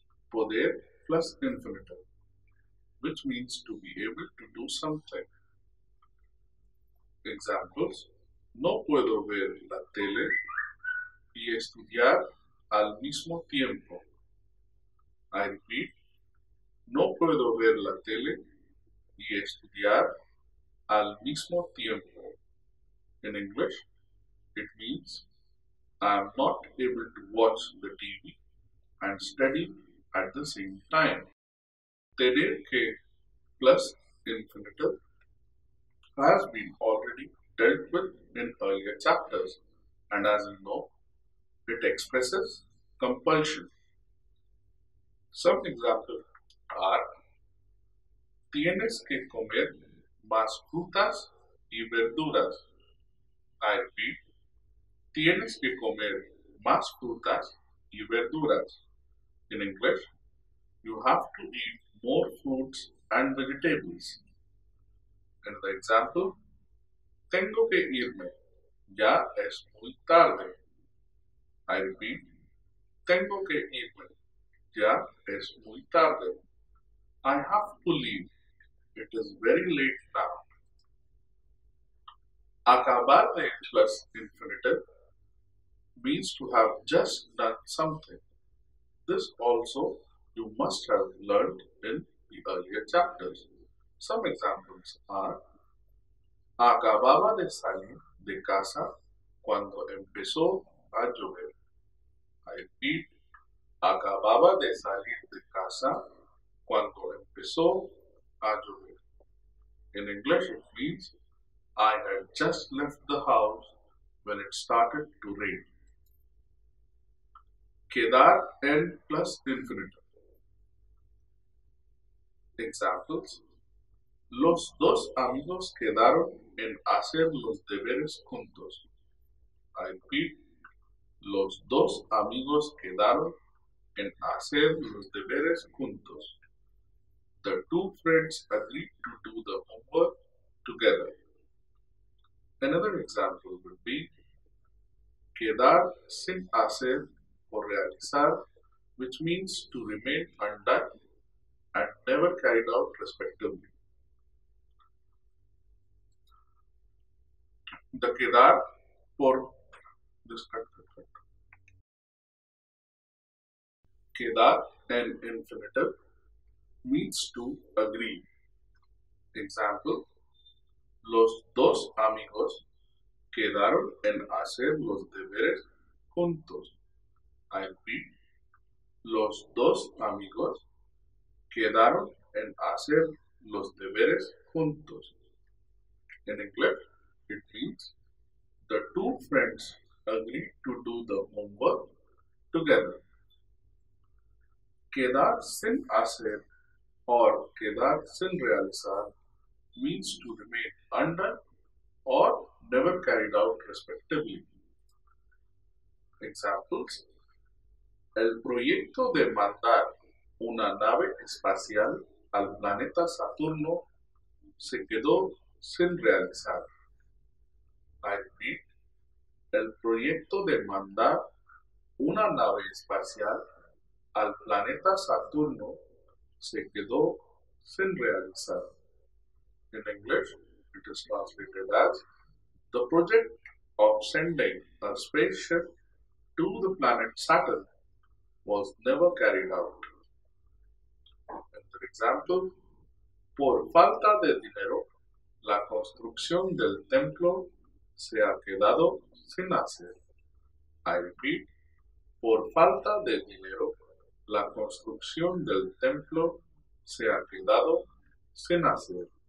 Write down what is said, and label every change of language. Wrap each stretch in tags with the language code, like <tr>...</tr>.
<en>Poder plus infinitive, which means to be able to do something. Examples.</en> <es>No puedo ver la tele y estudiar al mismo tiempo.</es> <en>I repeat.</en> <es>No puedo ver la tele y estudiar al mismo tiempo.</es> <en>In English, it means I am not able to watch the TV and study at the same time. Tener que plus infinitive has been already dealt with in earlier chapters, and as you know, it expresses compulsion. Some examples are:</en> <es>tienes que comer más frutas y verduras.</es> <en>I repeat,</en> <es>tienes que comer más frutas y verduras.</es> <en>In English, you have to eat more fruits and vegetables. Another example,</en> <es>tengo que irme, ya es muy tarde.</es> <en>I repeat,</en> <es>tengo que irme, ya es muy tarde.</es> <en>I have to leave, it is very late now. Acabar de plus infinitive means to have just done something. This also you must have learned in the earlier chapters. Some examples are:</en> <es>acababa de salir de casa cuando empezó a llover.</es> <en>I repeat,</en> <es>acababa de salir de casa cuando empezó a llover.</es> <en>In English, it means I had just left the house when it started to rain. Quedar en plus infinitive. Examples.</en> <es>Los dos amigos quedaron en hacer los deberes juntos.</es> <en>I repeat.</en> <es>Los dos amigos quedaron en hacer los deberes juntos.</es> <en>The two friends agreed to do the homework together. Another example would be</en> <es>quedar sin hacer o realizar,</es> <en>which means to remain undone and never carried out respectively. The quedar por this cut. Quedar en infinitive means to agree. Example.</en> <es>Los dos amigos quedaron en hacer los deberes juntos.</es> <en>I repeat.</en> <es>Los dos amigos quedaron en hacer los deberes juntos.</es> <en>In English, it means the two friends agreed to do the homework together. Quedar sin hacer or quedar sin realizar means to remain under or never carried out respectively. Examples.</en> <es>El proyecto de mandar una nave espacial al planeta Saturno se quedó sin realizar.</es> <en>I repeat.</en> <es>El proyecto de mandar una nave espacial al planeta Saturno se quedó sin realizar.</es> <en>In English, it is translated as the project of sending a spaceship to the planet Saturn was never carried out. Another example,</en> <es>por falta de dinero, la construcción del templo se ha quedado sin hacer.</es> <en>I repeat,</en> <es>por falta de dinero, la construcción del templo se ha quedado sin hacer.</es>